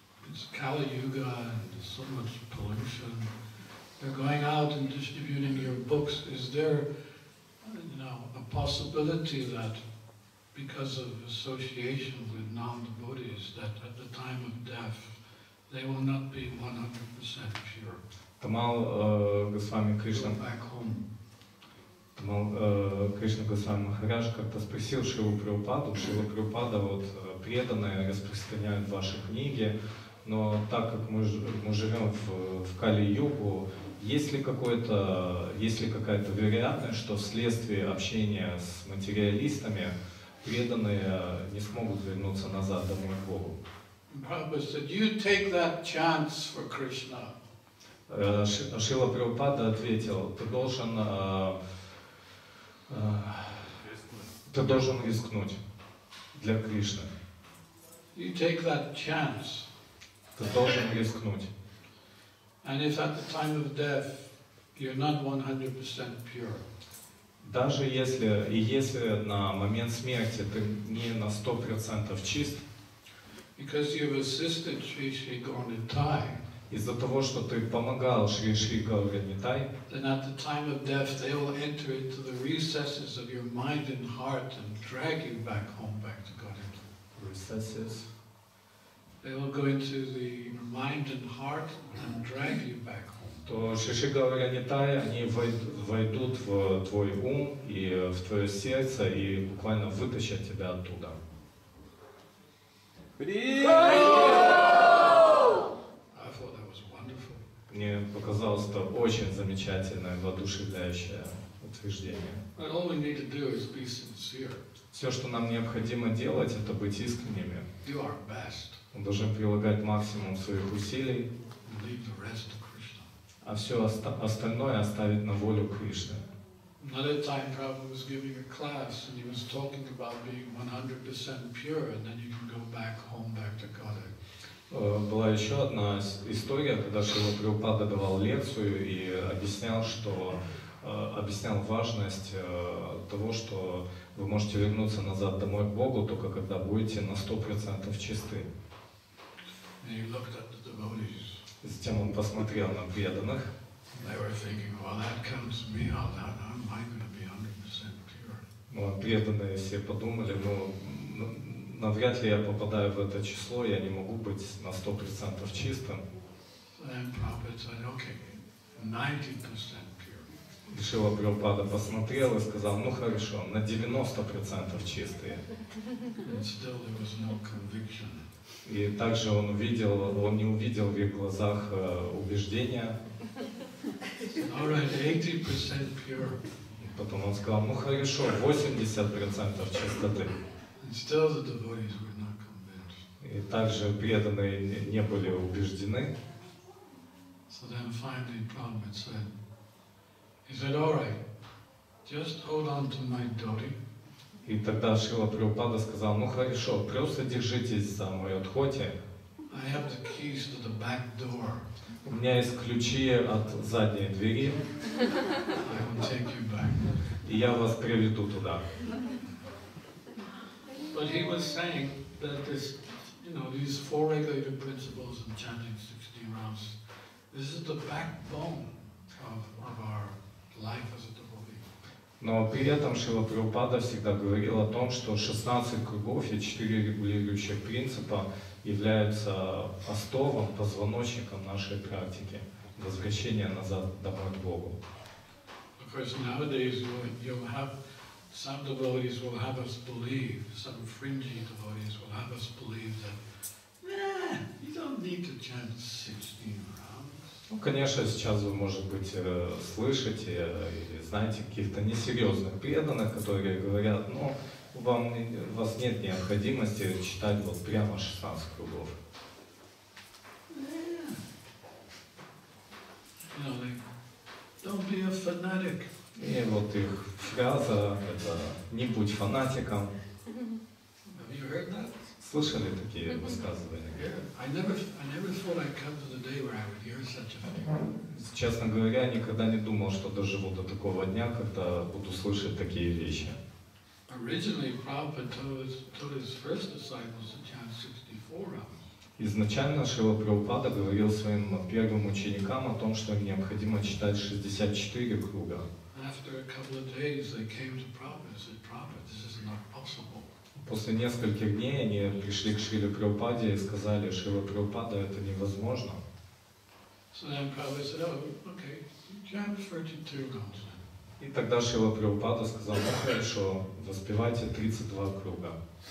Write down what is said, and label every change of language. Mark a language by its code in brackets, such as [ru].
[en] It's Kali Yuga and so much pollution. They're going out and distributing your books. Is there, you know, a possibility that because of association with non-devotees, that at the time of death, they will not be 100% pure. Tamal Goswami Krishna. Go back home. [ru] Tamal Krishna Goswami Maharaj как-то спросил Шрилу Прабхупаду, Шрила Прабхупада, вот преданные распространяют ваши книги, но так как мы живем в Кали-югу, есть ли какая-то вероятность, что вследствие общения с материалистами преданные не смогут вернуться назад домой к Богу? [en] Prabhupada said, you take that chance for Krishna. [ru] Шрила Прабхупада ответил, ты должен рискнуть для Кришны. [en] You take that chance. [ru] Ты должен рискнуть. [en] And if at the time of death you're not 100% pure. [ru] Даже если, и если на момент смерти ты не на 100% чист, [en] because you've assisted Shri Shri Gauranitai, [ru] из-за того, что ты помогал Шри Шри Гауранитай, [en] then at the time of death they will enter into the recesses of your mind and heart and drag you back home, back to Godhead. Recesses. They will go into the mind and heart and drag you back home. [ru] То Шиши Гауранитай, они войдут в твой ум и в твое сердце и буквально вытащат тебя оттуда. Мне показалось это очень замечательное, воодушевляющее утверждение. Все, что нам необходимо делать, это быть искренними. [en] You are best. [ru] Мы должны прилагать максимум своих усилий. [en] Leave the rest to Krishna. [ru] А все остальное оставить на волю Кришны. [en] Another time Prabhupada was giving a class and he was talking about being 100% pure and then you can go back home, back to Godhead. [ru] Была еще одна история, когда Прабхупада давал лекцию и объяснял, что объяснял важность того, что вы можете вернуться назад домой к Богу, только когда будете на 100% чисты. [en] And he looked at the devotees. [ru] И затем он посмотрел на преданных. [en] They were thinking, well, that comes to me, how am I going to be 100% pure? [ru] Ну, преданные все подумали, ну, навряд ли я попадаю в это число, я не могу быть на 100% чистым. [en] And Prabhupada said, okay, 90% pure. [ru] Шрила Прабхупада посмотрел и сказал, ну хорошо, на 90% чистые. [en] And still there was no conviction. [ru] И также он увидел, он не увидел в их глазах убеждения. [en] All right, 80% pure. [ru] Потом он сказал, ну хорошо, 80% чистоты. [en] And still the devotees were not convinced. [ru] И также преданные не были убеждены. [en] So then finally Prabhupada said, he said, all right, just hold on to my dhoti. [ru] И тогда Шрила Прабхупада сказал, ну хорошо, просто держитесь за мою дхоти. [en] I have the keys to the back door. [ru] У меня есть ключи от задней двери. [en] I will take you back. [ru] И я вас приведу туда. [en] But he was saying that this, you know, these four regulated principles of chanting 16 rounds, this is the backbone of our life as a devotee. [ru] Но при этом Шрила Прабхупада всегда говорил о том, что 16 кругов и 4 регулирующих принципа являются основом, позвоночником нашей практики возвращения назад домой к Богу. [en] Of course, nowadays you'll have some devotees will have us believe, some fringy devotees will have us believe that, you don't need to chant 16 rounds. [ru] Ну, конечно, сейчас вы, может быть, слышите или знаете каких-то несерьезных преданных, которые говорят, ну, вам, у вас нет необходимости читать вот прямо 16 кругов. [en] Don't be a fanatic. [ru] И вот их фраза, это не будь фанатиком. [en] Have you heard that? [ru] Слышали такие высказывания? [en] I never thought I'd come to the day where I would hear such a thing. [ru] Честно говоря, никогда не думал, что доживу до такого дня, когда буду слышать такие вещи. [en] Originally, Prabhupada told his first disciples to chant 64 rounds. [ru] Изначально Шрила Прабхупада говорил своим первым ученикам о том, что им необходимо читать 64 круга. [en] After a couple of days, they came to Prabhupada and said, "Prabhupada, this is not possible." [ru] После нескольких дней они пришли к Шриле Прабхупаде и сказали, Шрила Прабхупада, это невозможно. [en] So then Prabhupada said, "Oh, okay, chant 32 rounds." [ru] И тогда Шрила Прабхупада сказал, ну хорошо, воспевайте 32 круга.